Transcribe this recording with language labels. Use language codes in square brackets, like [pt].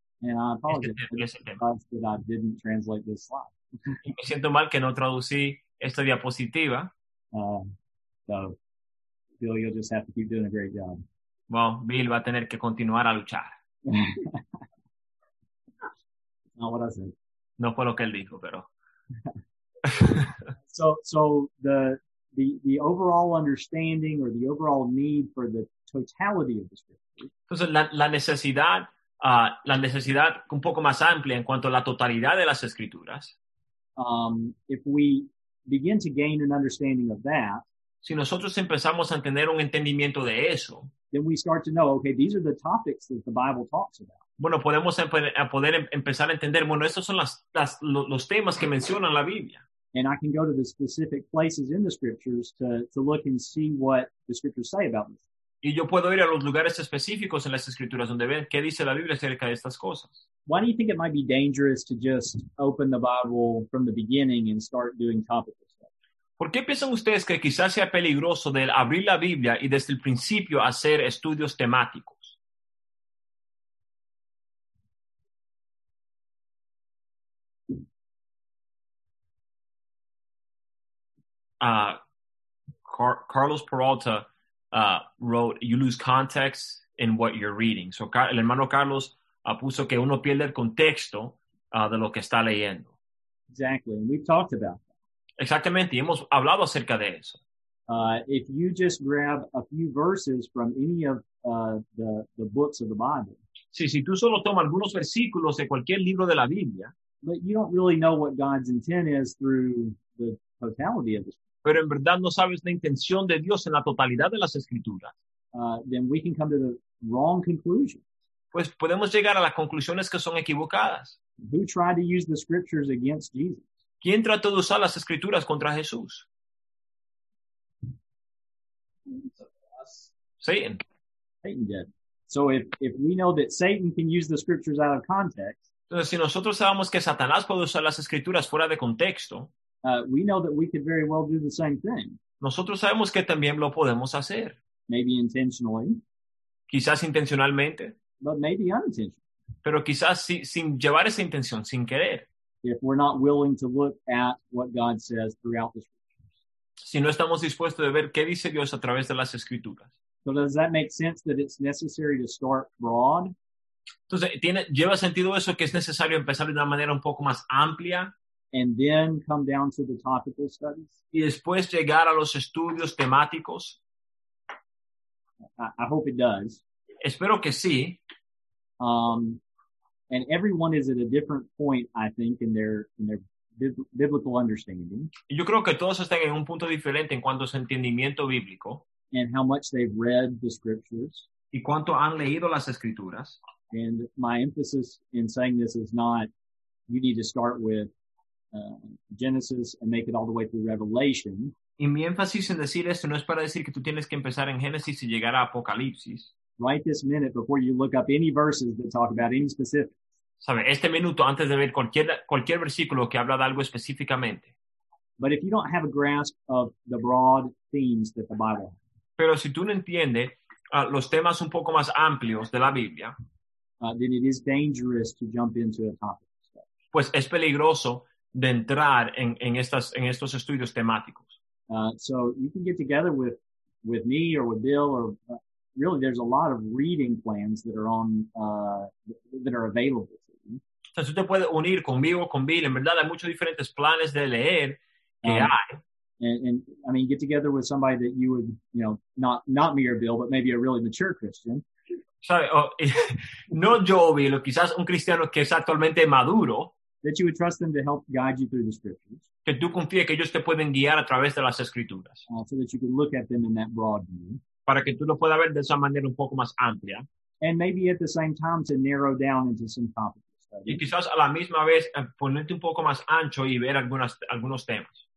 [en] And I apologize that I didn't translate this slide. [es] Me siento mal que no traducí esta diapositiva. [en] So, Bill, you'll just have to keep doing a great job. [es] Well, Bill va a tener que continuar a luchar. [en] Not what I said. [es] No fue lo que él dijo, pero. [en] So the the overall understanding or the overall need for the totality of the scripture. [es] Entonces, la necesidad un poco más amplia en cuanto a la totalidad de las escrituras. [en] If we begin to gain an understanding of that, [es] si nosotros empezamos a tener un entendimiento de eso, [en] then we start to know, okay, these are the topics that the Bible talks about. [es] Bueno, podemos poder empezar a entender, bueno, estos son los temas que menciona la Biblia. [en] And I can go to the specific places in the scriptures to look and see what the scriptures say about this. [es] Y yo puedo ir a los lugares específicos en las escrituras donde ven qué dice la Biblia acerca de estas cosas. [en] Why do you think it might be dangerous to just open the Bible from the beginning and start doing topical stuff? [es] ¿Por qué piensan ustedes que quizás sea peligroso del abrir la Biblia y desde el principio hacer estudios temáticos? [en] Carlos Peralta wrote, "You lose context in what you're reading." [es] So, el hermano Carlos puso que uno pierde el contexto de lo que está leyendo. [en] Exactly, and we've talked about that. [es] Exactamente, y hemos hablado acerca de eso. [en] If you just grab a few verses from any of the books of the Bible, [es] si tú solo tomas algunos versículos de cualquier libro de la Biblia, [en] but you don't really know what God's intent is through the totality of the Bible. [es] Pero en verdad no sabes la intención de Dios en la totalidad de las escrituras. [en] Then we can come to the wrong conclusions. [es] Pues podemos llegar a las conclusiones que son equivocadas. [en] Who tried to use the scriptures against Jesus? [es] ¿Quién trató de usar las escrituras contra Jesús? [en] Satan. Satan did. So if we know that Satan can use the scriptures out of context. [es] Entonces, si nosotros sabemos que Satanás puede usar las escrituras fuera de contexto. [en] We know that we could very well do the same thing. [es] Nosotros sabemos que también lo podemos hacer. [en] Maybe intentionally. [es] Quizás intencionalmente. [en] But maybe unintentionally. [es] Pero quizás sin llevar esa intención, sin querer. [en] If we're not willing to look at what God says throughout the scriptures. [es] Si no estamos dispuestos de ver qué dice Dios a través de las escrituras. [en] So does that make sense that it's necessary to start broad? [es] Entonces, ¿lleva sentido eso que es necesario empezar de una manera un poco más amplia? [en] And then come down to the topical studies. [es] Y después llegar a los estudios temáticos. [en] I hope it does. [es] Espero que sí. [en] And everyone is at a different point, I think, in their biblical understanding. [es] Yo creo que todos están en un punto diferente en cuanto a su entendimiento bíblico. [en] And how much they've read the scriptures. [es] Y cuánto han leído las escrituras. [en] And my emphasis in saying this is not, you need to start with Genesis and make it all the way through Revelation. [es] Y mi énfasis en decir esto no es para decir que tú tienes que empezar en Génesis y llegar a Apocalipsis. [en] Right this minute before you look up any verses that talk about any specific. [es] Sabe, este minuto antes de ver cualquier versículo que habla de algo específicamente. [en] But if you don't have a grasp of the broad themes that the Bible has. [es] Pero si tú no entiendes los temas un poco más amplios de la Biblia. [en] Then it is dangerous to jump into a topic. [es] Pues es peligroso de entrar en estos estudios temáticos. [en] So you can get together with me or with Bill or really there's a lot of reading plans that are on that are available to you. [es] Entonces usted puede unir conmigo con Bill. En verdad hay muchos diferentes planes de leer que hay. [en] And I mean, get together with somebody that you would, you know, not me or Bill, but maybe a really mature Christian. [es] Sabe, no yo, Bill, quizás un cristiano que es actualmente maduro. [en] That you would trust them to help guide you through the scriptures. [es] Que tú confíes que ellos te pueden guiar a través de las escrituras. [en] So that you can look at them in that broad view. [es] Para que tú lo puedas ver de esa manera un poco más amplia. [en] And maybe at the same time to narrow down into some topical studies. [es] Y quizás a la misma vez ponerte un poco más ancho y ver algunos temas.